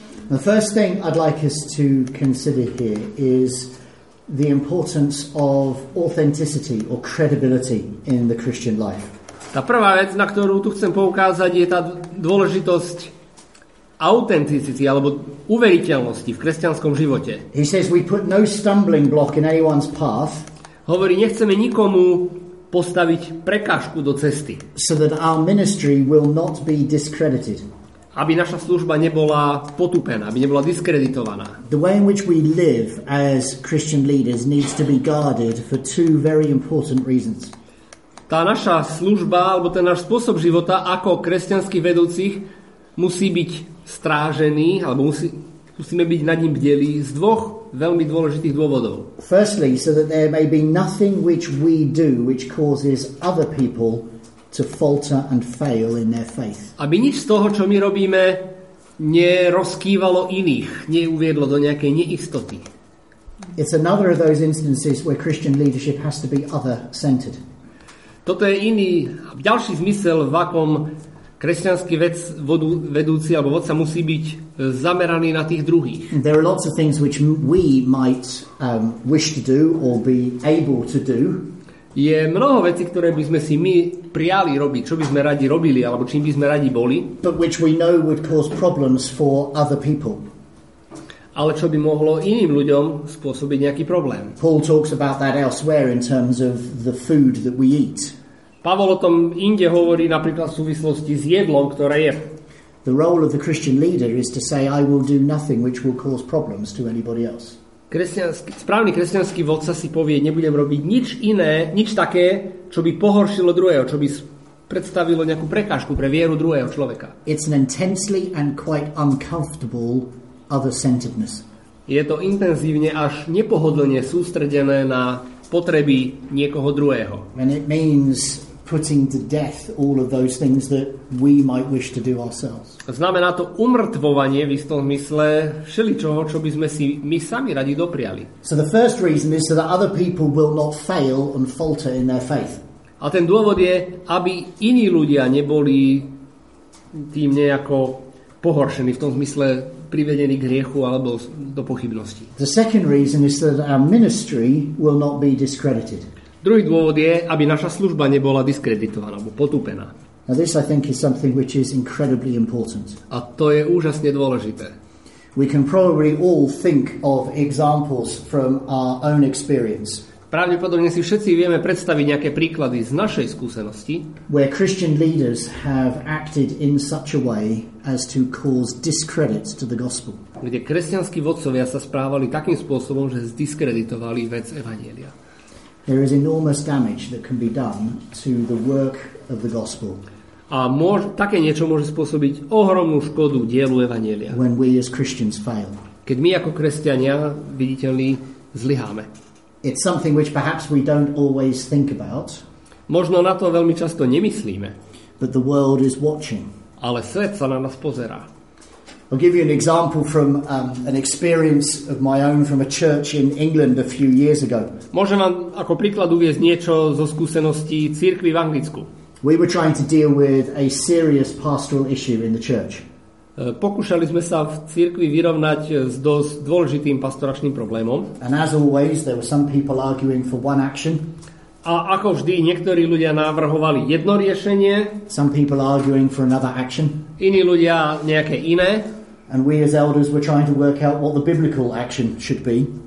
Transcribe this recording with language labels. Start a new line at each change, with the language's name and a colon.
English: The first thing I'd like us to consider here is the importance of authenticity or credibility in the Christian life.
Slovak: Tá prvá vec, na ktorú tu chcem poukázať, je tá dôležitosť autenticity alebo uveriteľnosti v kresťanskom živote.
English: He says we put no stumbling block in anyone's path.
Slovak: Hovorí, nechceme nikomu postaviť prekážku do cesty.
English: So that our ministry will not be discredited.
Slovak: Aby naša služba nebola potupená, aby nebola diskreditovaná.
English: The way in which we live as Christian leaders needs to be guarded for two very important reasons.
Slovak: Tá naša služba alebo ten náš spôsob života ako kresťanských vedúcich musí byť strážený alebo musíme byť nad ním bdelí z dvoch veľmi dôležitých dôvodov.
English: Firstly, so that there may be nothing which we do which causes other people to falter and fail in their faith.
Slovak: Aby nič z toho, čo my robíme, nerozkývalo iných, neuviedlo do nejakej neistoty.
English: It's another of those instances where Christian leadership has to be other-centered.
Slovak: Toto je iný, ďalší zmysel, v akom kresťanský vedúci alebo vodca musí byť zameraný na tých druhých.
English: There are lots of things which we might wish to do or be able to do.
Slovak: Je mnoho vecí, ktoré by sme si my priali robiť, čo by sme radi robili alebo čím by sme radi boli.
English: But which we know would cause problems for other people.
Slovak: Ale čo by mohlo iným ľuďom spôsobiť nejaký problém.
English: Paul talks about that elsewhere in terms of the food that we eat.
Slovak: Pavol o tom inde hovorí napríklad v súvislosti s jedlom, ktoré je.
English: The role of the Christian leader is to say I will do nothing which will cause problems to anybody else.
Slovak: Správny kresťanský vodca si povie, nebudem robiť nič iné, nič také, čo by pohoršilo druhého, čo by predstavilo nejakú prekážku pre vieru druhého človeka.
English: It's an intensely and quite uncomfortable other-centeredness.
Slovak: Je to intenzívne až nepohodlne sústredené na potreby niekoho druhého.
English: And it means putting to death all of those things that we might wish to do ourselves.
Slovak: Znamená to umrtvovanie v istom zmysle všeličoho, čo by sme si my sami radi dopriali.
English: So the first reason is so that other people will not fail and falter in their faith.
Slovak: A ten dôvod je, aby iní ľudia neboli tým nejako pohoršení v tom zmysle privedení k hriechu alebo do pochybnosti.
English: The second reason is so that our ministry will not be discredited.
Slovak: Druhý dôvod je, aby naša služba nebola diskreditovaná alebo potúpená.
English: Now this I think is something which is incredibly important.
Slovak: A to je úžasne dôležité.
English: We can probably all think of examples from our own experience.
Slovak: Pravdepodobne si všetci vieme predstaviť nejaké príklady z našej skúsenosti,
English: where Christian leaders have acted in such a way as to cause discredit to the gospel.
Slovak: Kde kresťanskí vodcovia sa správali takým spôsobom, že zdiskreditovali vec evanjelia.
English: There is enormous damage that can be done to the work of the gospel.
Slovak: A také niečo môže spôsobiť ohromnú škodu dielu evanjelia.
English: When we as Christians fail.
Slovak: Keď my ako kresťania viditeľne zlyháme.
English: It's something which perhaps we don't always think about.
Slovak: Možno na to veľmi často nemyslíme.
English: But the world is watching.
Slovak: Ale svet sa na nás pozerá.
English: I'll give you an example from an experience of my own from a church in England a few years ago.
Slovak: Môžem vám ako príklad uviesť niečo zo skúseností cirkvi v Anglicku.
English: We were trying to deal with a serious pastoral issue in the church.
Slovak: Pokúšali sme sa v cirkvi vyrovnať s dosť dôležitým pastoračným problémom.
English: And as always, there were some people arguing for one action.
Slovak: A ako vždy, niektorí ľudia navrhovali jedno riešenie.
English: Some people arguing for another action.
Slovak: Iní ľudia nejaké iné.
English: And we as elders were trying to work out what the biblical action should be.